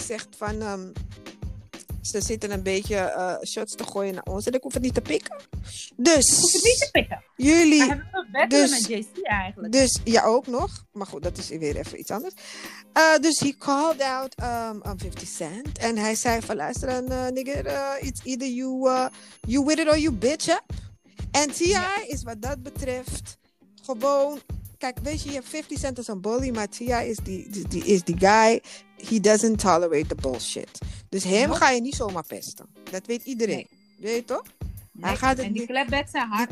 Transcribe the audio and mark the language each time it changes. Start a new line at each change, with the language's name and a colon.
Dutch: zegt van ze zitten een beetje shots te gooien naar ons. En ik hoef het niet te pikken. Dus. Ik hoef het niet te pikken. Jullie. We hebben dus, met JC eigenlijk. Dus ja, ook nog. Maar goed, dat is weer even iets anders. Dus
English: he called out 50 Cent.
Dutch: En hij zei van luister dan, nigger.
English: It's either you with it or you bitch up.
Dutch: En T.I. is wat dat betreft gewoon. Kijk, weet je, je hebt 50 Cent als een bully, maar T.I. is die
English: guy, he doesn't tolerate the bullshit.
Dutch: Dus hem ga je niet zomaar pesten. Dat weet iedereen. Nee. Weet je toch? Nee. Hij gaat en die clapbacks zijn hard.